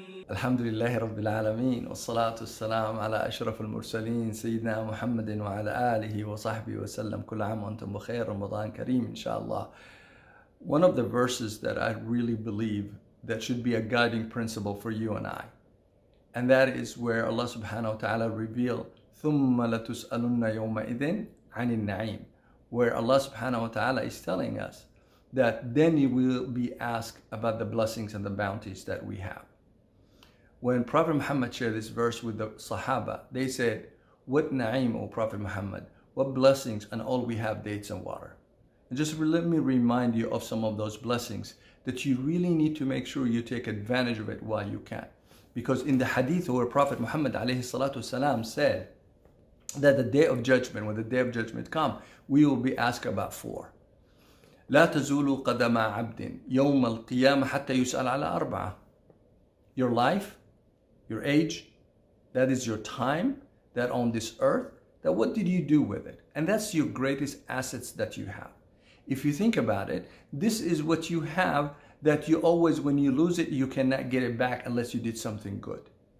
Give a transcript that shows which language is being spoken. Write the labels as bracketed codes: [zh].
[ar] الحمد لله رب العالمين، والصلاة والسلام على أشرف المرسلين سيدنا محمد وعلى آله وصحبه وسلم. كل عام وأنتم بخير، رمضان كريم إن شاء الله. [en] One of the verses that I really believe that should be a guiding principle for you and I, and that is where Allah subhanahu wa ta'ala reveal [ar] ثُمَّ لَتُسْأَلُنَّ يَوْمَئِذٍ عَنِ النَّعِيمِ, [en] where Allah subhanahu wa ta'ala is telling us that then you will be asked about the blessings and the bounties that we have. When Prophet Muhammad shared this verse with the Sahaba, they said, what na'im, O Prophet Muhammad, what blessings and all we have, dates and water. And just let me remind you of some of those blessings that you really need to make sure you take advantage of it while you can. Because in the hadith where Prophet Muhammad alayhi salatu wasalam said that the day of judgment, when the day of judgment come, we will be asked about four. [ar] لا تزول قدم عبد يوم القيامة حتى يسأل على أربعة. [en] Your life, your age, that is your time that on this earth, that what did you do with it? And that's your greatest assets that you have. If you think about it, this is what you have that you always, when you lose it, you cannot get it back unless you did something good.